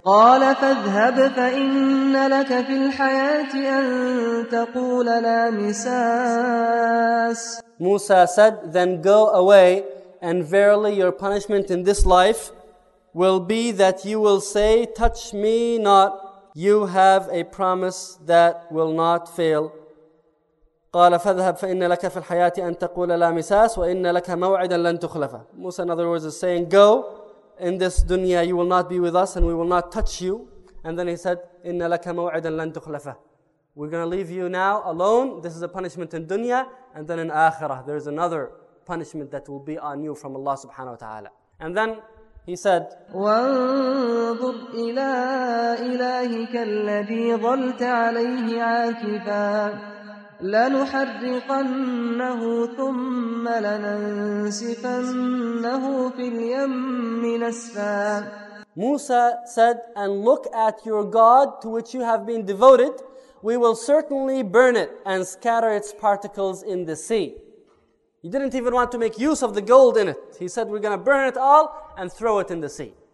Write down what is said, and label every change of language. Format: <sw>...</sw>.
<ar>قَالَ فَاذْهَبْ فَإِنَّ لَكَ فِي الْحَيَاةِ أَن تَقُولَ لَا مِسَاسِ.</ar> <en>Musa said, then go away and verily your punishment in this life will be that you will say, touch me not, you have a promise that will not fail.</en> <ar>قال فذهب فإن لك في الحياة أن تقول لا مساس وإن لك موعدا لن تخلفه.</ar> <en>Musa in other words is saying, go in this dunya, you will not be with us and we will not touch you. And then he said,</en> <ar>إن لك موعدا لن تخلفه.</ar> <en>We're going to leave you now alone. This is a punishment in dunya, and then in akhirah there is another punishment that will be on you from Allah subhanahu wa ta'ala. And then he said,</en> <ar>وانظر إلى إلهك الذي ظلت عليه عاكفا لنحرقنه ثم لننسفنه في اليم نسفا.</ar> <en>Musa said, and look at your God to which you have been devoted. We will certainly burn it and scatter its particles in the sea. He didn't even want to make use of the gold in it. He said, we're going to burn it all and throw it in the sea.</en>